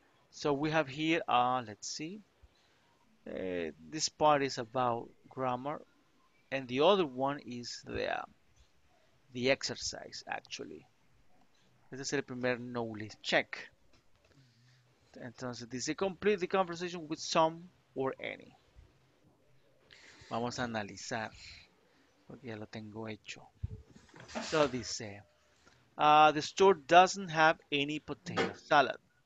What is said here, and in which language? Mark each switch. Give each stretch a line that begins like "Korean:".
English: So we have here, let's see. This part is about grammar, and the other one is the exercise, actually.
Spanish: Este es el primer knowledge check. Entonces, dice,
English: complete the conversation with some or any.
Spanish: Vamos a analizar, porque ya lo tengo hecho.
English: So, dice, the store doesn't have any potato salad.